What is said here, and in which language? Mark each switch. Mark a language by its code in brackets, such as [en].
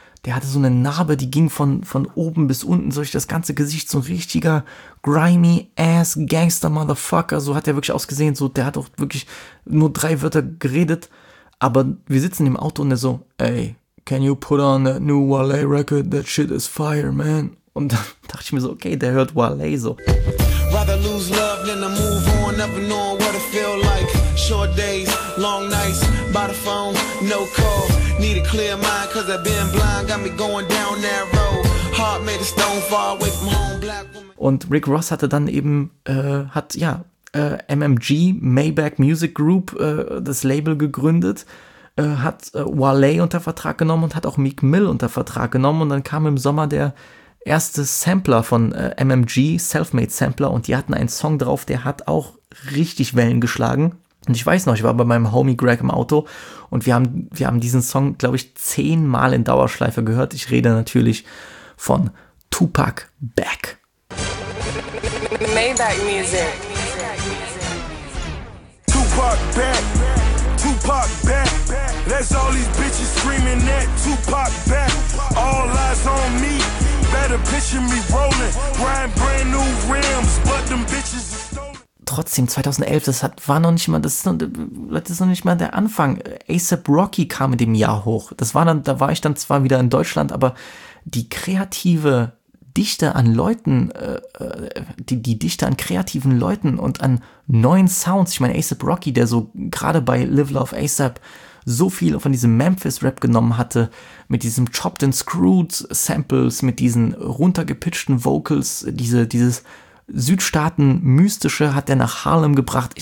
[de] Der hatte so eine Narbe, die ging von oben bis unten, so das ganze Gesicht, so ein richtiger [en] grimy ass Gangster Motherfucker, [de] so hat er wirklich ausgesehen, so der hat auch wirklich nur drei Wörter geredet, aber wir sitzen im Auto und er so, ey, [en] can you put on that new Wale record, that shit is fire, man, [de] und dann dachte ich mir so, okay, der hört Wale so. [en] Rather lose love than to move on, never knowing what it feel like, short days, long nights, by the phone, no call. Need a clear mind, cause I've been blind, got me going down that road. Heart made of stone, far away from home, black woman. [de] Und Rick Ross hatte dann eben, MMG, Maybach Music Group, das Label gegründet, hat Wale unter Vertrag genommen und hat auch Meek Mill unter Vertrag genommen und dann kam im Sommer der erste Sampler von MMG, Selfmade Sampler, und die hatten einen Song drauf, der hat auch richtig Wellen geschlagen. Und ich weiß noch, ich war bei meinem Homie Greg im Auto und wir haben diesen Song, glaube ich, 10 Mal in Dauerschleife gehört. Ich rede natürlich von Tupac Back. [en] Maybach Music. Tupac Back. Tupac Back. That's all these bitches screaming at. Tupac Back. All eyes on me. Better picture me rolling. Grind brand new rims, but them bitches are stolen. [de] trotzdem, 2011, das ist noch nicht mal der Anfang. A$AP Rocky kam in dem Jahr hoch. Da war ich dann zwar wieder in Deutschland, aber die kreative Dichte an Leuten, die Dichte an kreativen Leuten und an neuen Sounds, ich meine A$AP Rocky, der so gerade bei Live Love A$AP so viel von diesem Memphis-Rap genommen hatte, mit diesem Chopped and Screwed Samples, mit diesen runtergepitchten Vocals, dieses Südstaaten-Mystische hat er nach Harlem gebracht.